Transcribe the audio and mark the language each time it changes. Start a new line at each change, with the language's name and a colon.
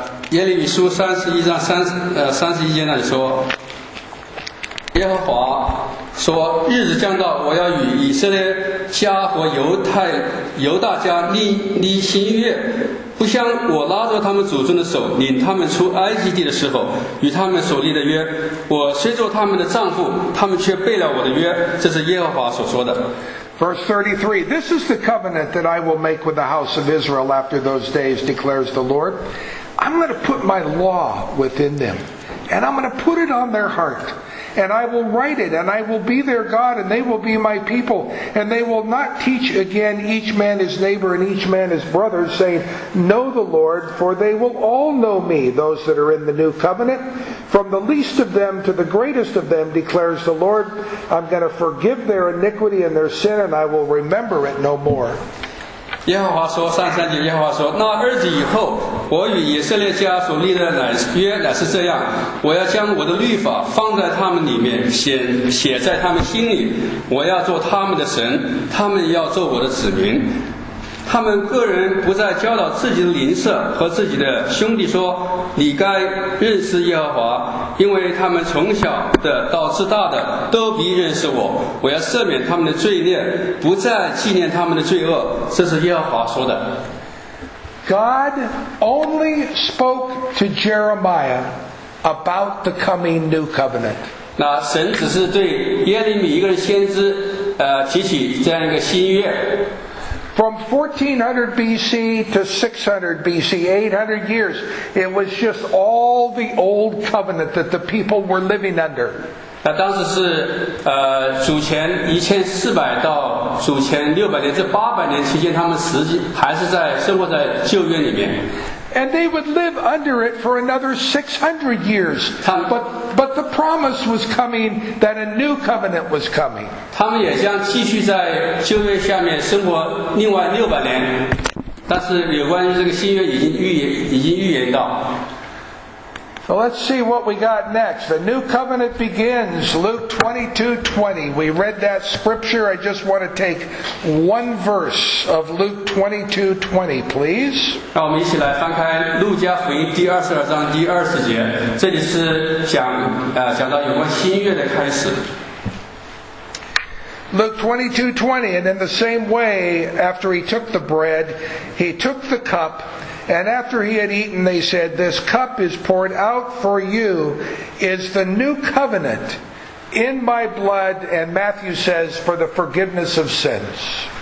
Chinese: 耶利米书三十一章三三十一节那里说，耶和华说，日子将到，我要与以色列家和犹大家立新约，不像我拉着他们祖宗的手领他们出埃及地的时候与他们所立的约，我虽做他们的丈夫，他们却背了我的约，这是耶和华所说的。
English: Verse 33, This is the covenant that I will make with the house of Israel after those days, declares the Lord. I'm going to put my law within them, and I'm going to put it on their heart, and I will write it, and I will be their God, and they will be my people, and they will not teach again each man his neighbor and each man his brother, saying, Know the Lord, for they will all know me, those that are in the new covenant. From the least of them to the greatest of them, declares the Lord, I'm going to forgive their iniquity and their sin, and I will remember it no more.
Chinese: 耶和华说，三三节，耶和华说，那日子以后，我与以色列家所立的约乃是这样，我要将我的律法放在他们里面，写在他们心里，我要做他们的神，他们要做我的子民。他们个人不再教导自己的邻舍和自己的兄弟说，你该认识耶和华，因为他们从小的到至大的都必认识我。我要赦免他们的罪孽，不再纪念他们的罪恶。这是耶和华说的。
English: God only spoke to Jeremiah about the coming new covenant.
Chinese: 那神只是对耶利米一个先知，提起这样一个新约。
English: From 1400 BC to 600 BC, 800 years, it was just all the old covenant that the people were living under.
Chinese: 那当时是主前1400到主前600年，这800年期间，他们实际还是在生活在旧约里面。
English: And they would live under it for another 600 years. But the promise was coming that a new covenant was coming.
Chinese: 他们也将继续在旧约下面生活另外600年。但是有关于这个新约已经预言到。
English: So let's see what we got next. The new covenant begins, Luke 22:20. We read that scripture. I just want to take one verse of Luke 22:20, please.
Chinese: 让我们一起来翻开路加福音第22章第20节。这里是讲到有关新约的开始。
English: Luke 22:20, and in the same way, after he took the bread, he took the cup, And after he had eaten, they said, This cup is poured out for you, is the new covenant in my blood, and Matthew says, for the forgiveness of sins.